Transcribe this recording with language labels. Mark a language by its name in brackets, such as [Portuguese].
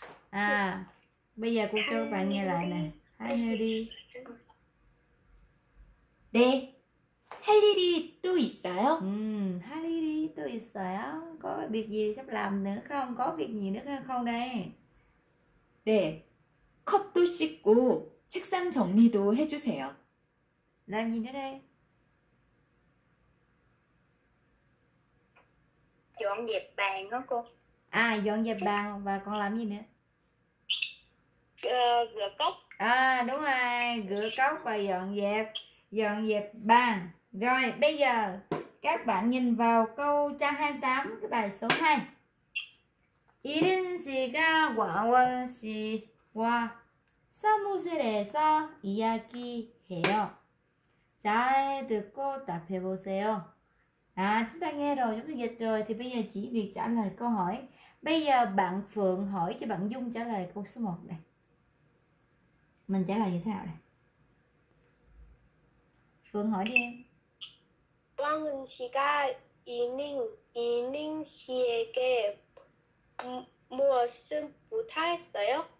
[Vietnamese] À, bây giờ cô cho bạn nghe lại nè. Ha li di. [Korean] 네, 할 일이 또 있어요? 하 일이 또 있어요? [Vietnamese] có việc gì sắp làm nữa không? Có việc gì nữa không đây? [Korean] 네, 컵도 씻고 책상 정리도 해주세요. [Vietnamese] làm gì nữa đây? Dọn dẹp bàn đó cô. À, dọn dẹp bàn và còn làm gì nữa? Rửa cốc. À, đúng rồi, rửa cốc và dọn dẹp bàn. Rồi bây giờ các bạn nhìn vào câu trang 28 cái bài số 2. [Korean] 이른 시각 왕원씨와 사무실에서 이야기해요. 잘 듣고 답해보세요. [Vietnamese] 아, chúng ta nghe rồi, chúng ta dịch rồi thì bây giờ chỉ việc trả lời câu hỏi. Bây giờ bạn Phượng hỏi cho bạn Dung trả lời câu số 1 này. Mình trả lời như thế nào đây? Phượng hỏi đi em. [Korean] 왕은 씨가 이닝 씨에게 무엇을 부탁했어요?